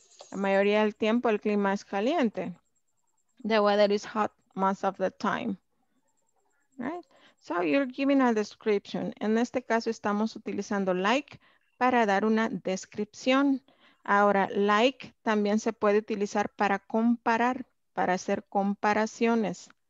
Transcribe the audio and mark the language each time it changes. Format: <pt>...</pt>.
<es>La mayoría del tiempo el clima es caliente.</es> <en>The weather is hot most of the time, right? So you're giving a description.</en> <es>En este caso estamos utilizando like para dar una descripción. Ahora, like también se puede utilizar para comparar, para hacer comparaciones.</es>